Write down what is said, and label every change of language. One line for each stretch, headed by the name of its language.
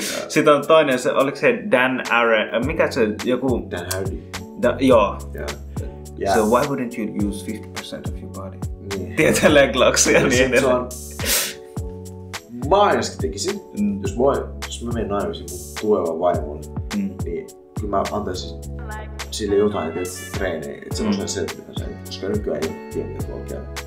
Finnish: Sitten on toinen, oliko se Dan Aaron, mikä se joku... Dan Hardy. Joo.
English: So why wouldn't you use 50% of your body?
Finnish: Tietä leg locks ja niin edelleen. Mä ainakin tekisin, jos mä menen naimisiin mun tulevan vaimon, niin kyllä mä antaisin sille jotain, että treenee, että se on sen mitä sä, koska nykyään ei tiedä, mitä tuolla käy.